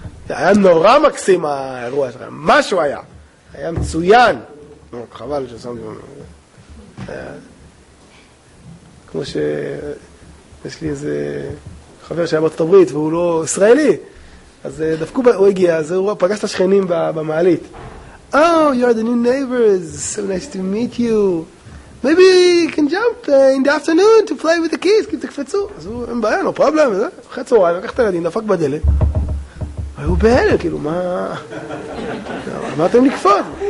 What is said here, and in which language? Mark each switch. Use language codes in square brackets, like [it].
[he] זה היה נורא מקסים האירוע שלך, משהו היה. היה מצוין. חבל ששמתי במה. כמו ש... יש לי איזה חבר שהיה בארצות הברית, והוא לא ישראלי. אז דפקו, הוא הגיע, אז הוא פגש את השכנים במעלית. [en] Oh, you are the new neighbors. So nice to meet you. Maybe you can jump in the afternoon to play with the kids. [he] כי תקפצו. אז הוא, אין בעיה, [en] no problem. [he] אחרי צהריים, לקח את הילדים, דפק בדלת. והוא בהלם, כאילו, מה... אמרתם לקפות.